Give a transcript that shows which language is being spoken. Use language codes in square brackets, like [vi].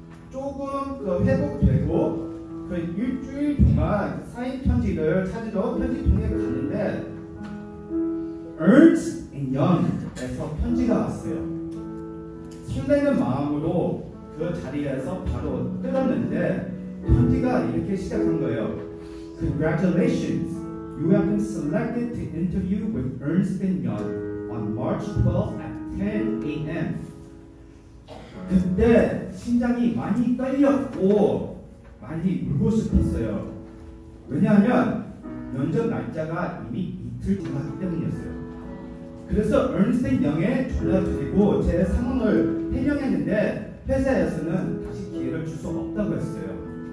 [ko] 조금 그 회복되고 그 일주일 동안 사인 편지를 찾으러 편지통에 갔는데 Ernst & Young에서 편지가 왔어요. 설레는 마음으로 그 자리에서 바로 뜯었는데 편지가 이렇게 시작한 거예요. [en] Congratulations! You have been selected to interview with Ernst & Young on March 12th at 10 a.m. [ko] 그때 심장이 많이 떨렸고 많이 울고 싶었어요. 왜냐하면 면접 날짜가 이미 이틀 지났기 때문이었어요. 그래서 Ernst & Young에 전화드리고 제 상황을 해명했는데 회사에서는 다시 기회를 줄 수 없다고 했어요.